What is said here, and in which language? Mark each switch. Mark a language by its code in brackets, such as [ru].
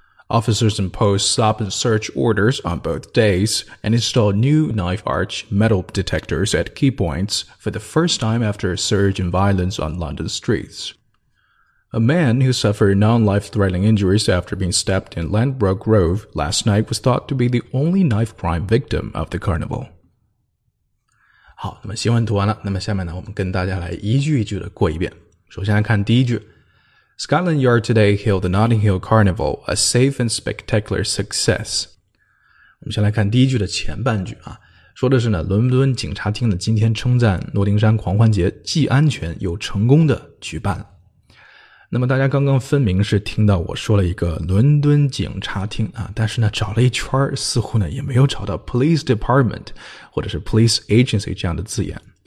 [en] Officers imposed stop and search orders on both days and installed new knife arch metal detectors at key points for the first time after a surge in violence on London streets. A man who suffered non-life-threatening injuries after being stabbed in Ladbroke Grove last night was thought to be the only knife crime victim of the carnival. [zh] 好，那么新闻读完了，那么下面呢，我们跟大家来一句一句的过一遍。首先来看第一句 [en] ，Scotland Yard today hailed the Notting Hill Carnival a safe and spectacular success. [zh] 我们先来看第一句的前半句啊，说的是呢，伦敦警察厅呢今天称赞诺丁山狂欢节既安全又成功的举办了。那么大家刚刚分明是听到我说了一个伦敦警察厅啊，但是呢找了一圈似乎呢也没有找到 police department 或者是 police agency 这样的字眼。